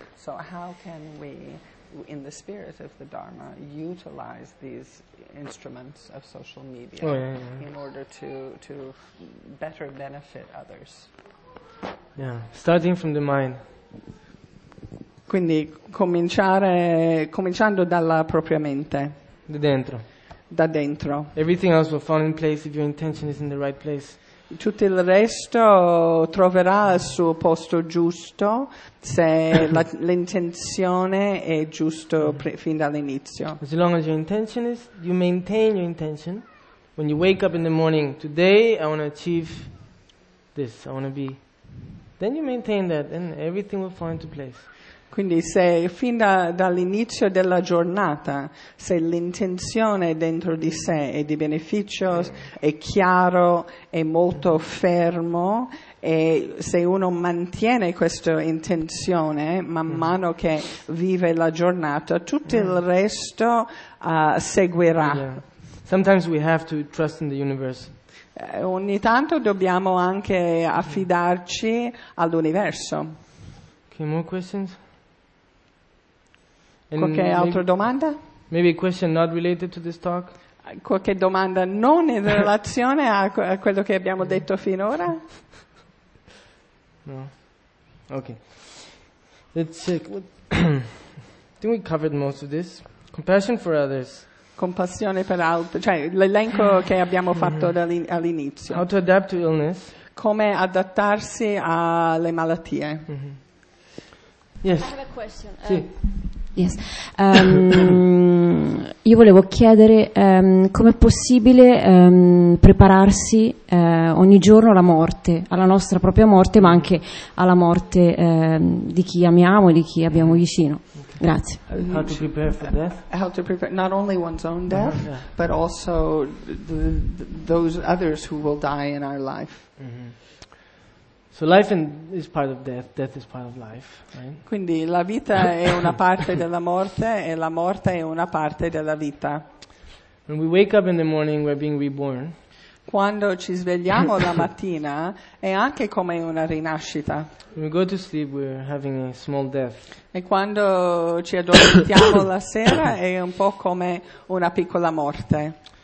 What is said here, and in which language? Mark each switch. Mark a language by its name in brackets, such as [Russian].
[English] So how can we in the spirit of the Dharma utilize these instruments of social media in order to better benefit others? Yeah, starting from the mind. [Italian] Quindi cominciando dalla propria mente. Da dentro. [English] Everything else will fall in place if your intention is in the right place. [Italian] Tutto il resto troverà il suo posto giusto se l'intenzione è giusto fin dall'inizio. [English] As long as your intention is, you maintain your intention. When you wake up in the morning, today I want to achieve this, I want to be. Then you maintain that and everything will fall into place. [Italian] Quindi se fin dall'inizio della giornata, se l'intenzione dentro di sé è di beneficio, è chiaro, è molto fermo, e se uno mantiene questa intenzione man mano che vive la giornata, tutto il resto seguirà. [English] Sometimes we have to trust in the universe. [Italian] Ogni tanto dobbiamo anche affidarci all'universo. [English] Okay, more questions? [Italian] And qualche altra domanda? [English] Maybe a question not related to this talk? [Italian] Qualche domanda non in relazione a quello che abbiamo detto finora? [English] No. Okay. Let's check. I think we covered most of this. Compassion for others. [Italian] Compassione per altri, cioè l'elenco che abbiamo fatto all'inizio. [English] How to adapt to illness? [Italian] Come adattarsi alle malattie. [English] Yes. I have a question. [Italian] Sì. [English] Yes. [Italian] Io volevo chiedere com'è possibile prepararsi ogni giorno alla morte, alla nostra propria morte, ma anche alla morte di chi amiamo e di chi abbiamo vicino. Grazie. [English] How to prepare for death? How to prepare not only one's own death, yeah, but also those others who will die in our life. Mm-hmm. So life is part of death. Death is part of life. Right? [Italian] Quindi la vita è una parte della morte e la morte è una parte della vita. [English] When we wake up in the morning, we're being reborn. [Italian] Quando ci svegliamo la mattina è anche come una rinascita. [English] When we go to sleep, we're having a small death. [Italian] E quando ci addormentiamo la sera è un po' come una piccola morte.